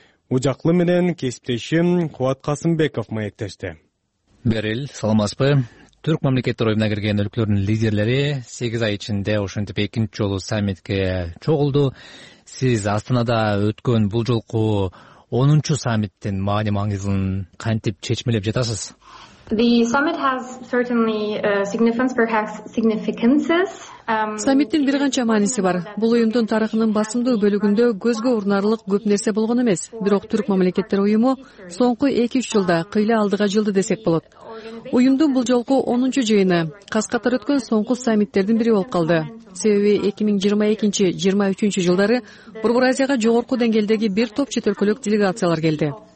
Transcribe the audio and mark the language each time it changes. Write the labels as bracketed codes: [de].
[ky] Ожаклы менен кесиптешим Кубат Касымбеков маектеште. Берил, саламатсызбы? Түрк мамлекеттер уюмуна кирген өлкөлөрдүн лидерлери 8 ай ичинде ушинтип экинчи жолу саммитке чогулду. Сиз Астанада өткөн бул жолку 10-cü sammitin mani mağızın kantip çeçmeleb jatasız? [en] The summit has certainly significance, perhaps significances. [ky] Саммиттин бир канча мааниси бар. Бул уюмдун тарыхынын басымдуу бөлүгүндө көзгө урнарлык көп нерсе болгон эмес. Бирок Түрк мамлекеттер уюму соңку 2-3 жылда кыйла алдыга жылды десек болот. Уюмдун бул жолку 10-cu жыйыны каз катар өткөн соңку саммиттердин бири болуп калды. Себеби 2022-23 жылдары Борбор Азияга жогорку деңгээлдеги бир топ чет өлкөлүк делегациялар келди.